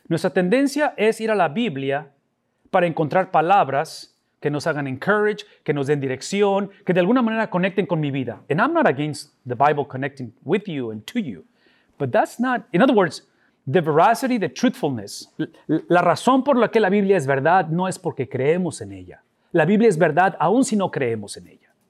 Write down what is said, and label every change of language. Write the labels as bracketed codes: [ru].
[es] Nuestra tendencia es ir a la Biblia para encontrar palabras que nos hagan encourage, que nos den dirección, que de alguna manera conecten con mi vida. [en] And I'm not against the Bible connecting with you and to you. But that's not, in other words, the veracity, the truthfulness. [es] La razón por la que la Biblia es verdad no es porque creemos en ella. La Biblia es verdad aun si no creemos en ella.